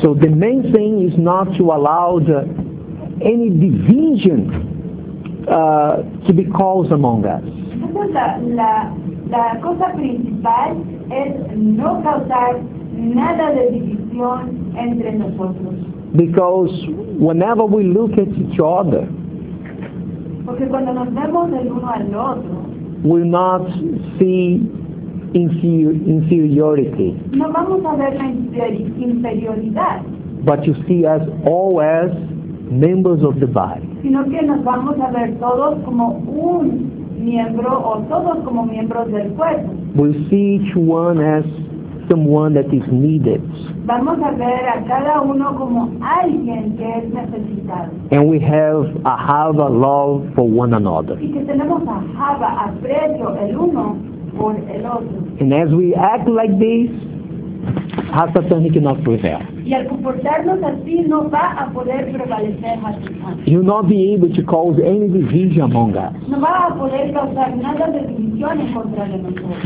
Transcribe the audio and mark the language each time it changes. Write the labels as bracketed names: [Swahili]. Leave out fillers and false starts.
[English] So the main thing is not to allow any division to be caused among us. [Spanish] Entonces la cosa principal es no causar nada de división entre nosotros. [English] Because whenever we look at each other, [Spanish] porque cuando nos vemos el uno al otro, [English] will not see inferiority. [Spanish] No vamos a ver la inferioridad. [English] But you see us all as members of the body. [Spanish] Sino que nos vamos a ver todos como un miembro o todos como miembros del cuerpo. [English] We see each one as someone that is needed. [Spanish] Vamos a ver a cada uno como alguien que es necesitado. [English] And we have a hava love for one another. [Spanish] Y que tenemos a hava aprecio el uno por el otro. [English] And as we act like this, Hasatan cannot prevail. [Spanish] Y al comportarnos así, no va a poder prevalecer Hasatan. [English] You'll not be able to cause any division among us. [Spanish] No va a poder causar nada de división en contra de nosotros.